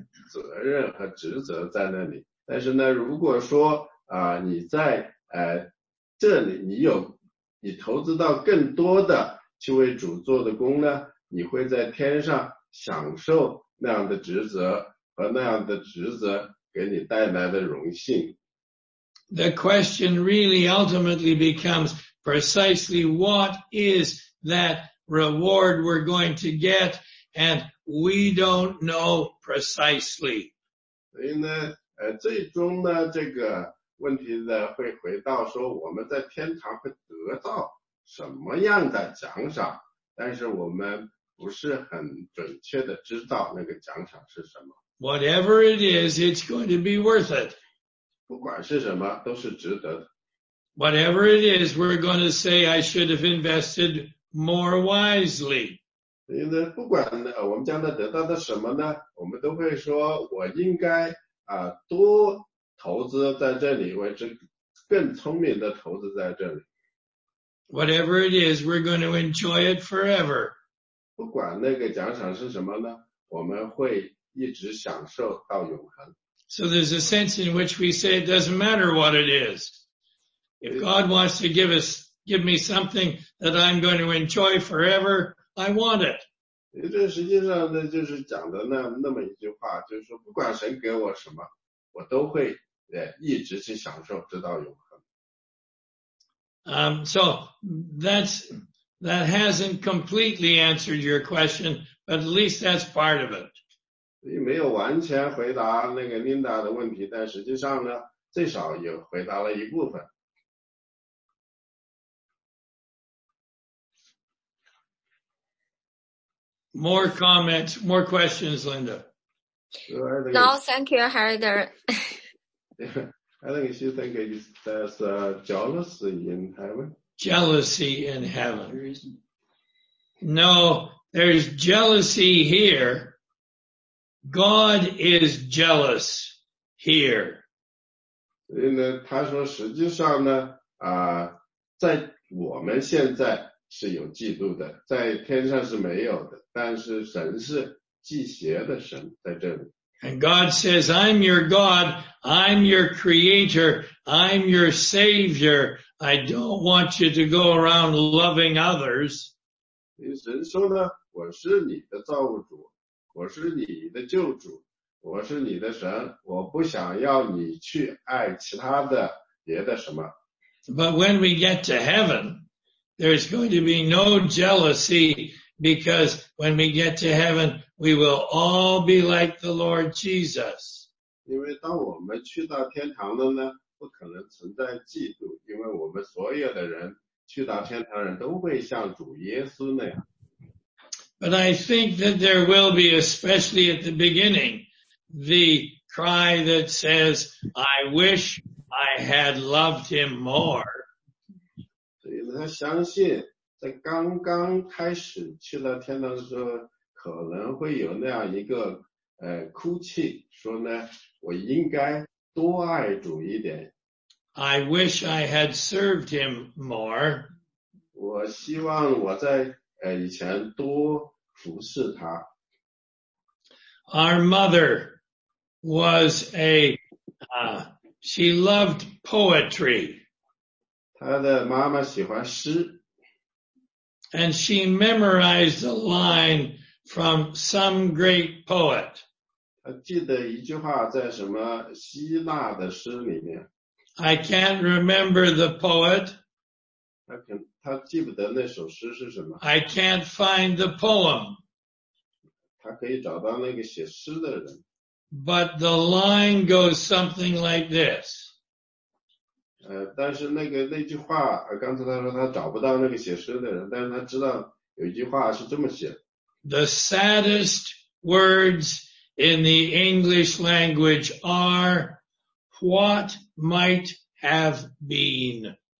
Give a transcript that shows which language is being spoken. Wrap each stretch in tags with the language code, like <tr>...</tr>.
<zh>责任和职责在那里。但是呢，如果说你在这里，你投资到更多的去为主做的工呢，你会在天上享受那样的职责和那样的职责给你带来的荣幸。</zh> <en>The question really ultimately becomes precisely what is that reward we're going to get, and we don't know precisely.</en> <zh>所以呢，最终呢，这个问题呢，会回到说我们在天堂会得到什么样的奖赏，但是我们不是很准确的知道那个奖赏是什么。</zh> <en>Whatever it is, it's going to be worth it.</en> <zh>不管是什么，都是值得的。</zh> <en>Whatever it is, we're going to say I should have invested more wisely.</en> <zh>所以呢，不管呢，我们将来得到的什么呢，我们都会说我应该多投资在这里，为之更聪明的投资在这里。</zh> <en>Whatever it is, we're going to enjoy it forever.</en> <zh>不管那个奖赏是什么呢，我们会一直享受到永恒。</zh> <en>So there's a sense in which we say it doesn't matter what it is. If God wants to give me something that I'm going to enjoy forever, I want it.</en> <zh>这实际上呢，就是讲的那么一句话，就是说不管神给我什么，我都会一直去享受，直到永恒。</zh> <en>So that hasn't completely answered your question, but at least that's part of it.</en> <zh>也没有完全回答那个 Linda 的问题，但实际上呢，最少也回答了一部分。</zh> <en>More comments, more questions, Linda. No, thank you, Heather. I think she thinks there's jealousy in heaven. Jealousy in heaven. No, there's jealousy here. God is jealous here.</en> <zh>所以呢，他说实际上呢，在我们现在是有嫉妒的，在天上是没有的，但是神是忌邪的神在这里。</zh> <en>And God says, I'm your God, I'm your creator, I'm your savior, I don't want you to go around loving others.</en> <zh>所以神说呢，我是你的造物主。我是你的救主，我是你的神，我不想要你去爱其他的别的什么。</zh> <en>But when we get to heaven, there's going to be no jealousy, because when we get to heaven, we will all be like the Lord Jesus.</en> <zh>因为当我们去到天堂了呢，不可能存在嫉妒，因为我们所有的人，去到天堂人都会像主耶稣那样。</zh> <en>But I think that there will be, especially at the beginning, the cry that says, I wish I had loved him more.</en> <zh>所以他相信在刚刚开始去了天堂的时候，可能会有那样一个哭泣，说呢，我应该多爱主一点。</zh> <en>I wish I had served him more.</en> <zh>我希望我在以前多服侍他。</zh> <en>Our mother was she loved poetry.</en> <zh>她的妈妈喜欢诗。</zh> <en>And she memorized a line from some great poet.</en> <zh>她记得一句话在什么希腊的诗里面。</zh> <en>I can't remember the poet.</en> <zh>他记不得那首诗是什么。</zh> <en>I can't find the poem.</en> <zh>他可以找到那个写诗的人。</zh> <en>But the line goes something like this.</en> <zh>但是那句话，刚才他说他找不到那个写诗的人，但是他知道有一句话是这么写的。</zh> <en>The saddest words in the English language are what might have been.</en>